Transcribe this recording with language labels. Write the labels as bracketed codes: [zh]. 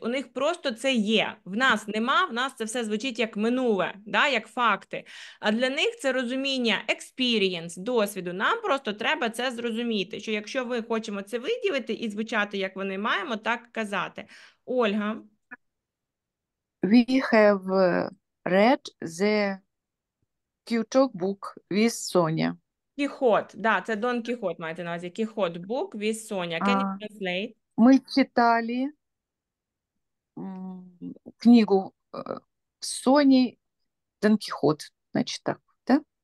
[uk] У них просто це є. В нас нема, в нас це все звучить як минуле, да? Як факти. А для них це розуміння experience, досвіду. Нам просто треба це зрозуміти, що якщо ми хочемо це виділити і звучати, як вони маємо, так казати. Ольга. [en] We have read the Kyoto book with Sonia. [uk] Кіхот, да, це Дон Кіхот маєте на увазі. [en] Кіхот book with Sonia. Can you translate? [uk] Ми читали книгу Соні Дон Кіхот, значить так, так?